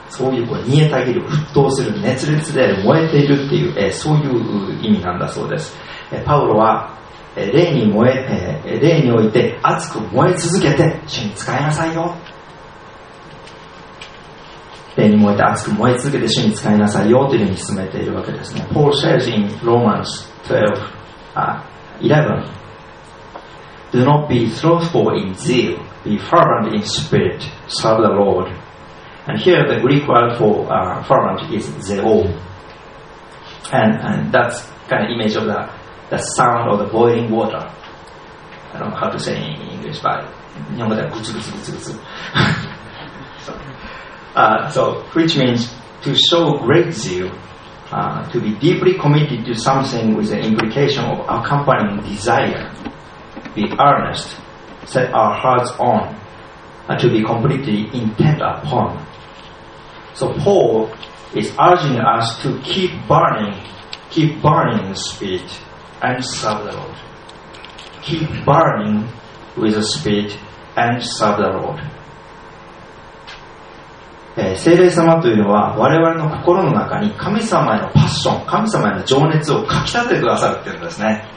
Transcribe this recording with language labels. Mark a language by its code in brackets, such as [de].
[ja] そういうこう煮えたぎる、沸騰する、熱烈で燃えているっていう、そういう意味なんだそうです。パウロは霊に燃え、霊において熱く燃え続けて主に使いなさいよ、霊に燃えて熱く燃え続けて主に使いなさいよというふうに進めているわけですね。 [en] Paul says in Romans 12:11 Do not be slothful in zeal, be fervent in spirit, serve the Lord. And here the Greek word for fervent is zeo, and that's kind of image of thatThe sound of the boiling water. I don't know how to say in English, but [ja] 日本語ではグツグツグツグツ。 [en] So, which means to show great zeal, to be deeply committed to something with the implication of accompanying desire, be earnest, set our hearts on, and to be completely intent upon. So Paul is urging us to keep burning spirit. And serve the Lord. Keep burning with the Spirit and serve the Lord. [ja] 聖霊様というのは我々の心の中に神様へのパッション、神様への情熱をかきたててくださるっていうんですね。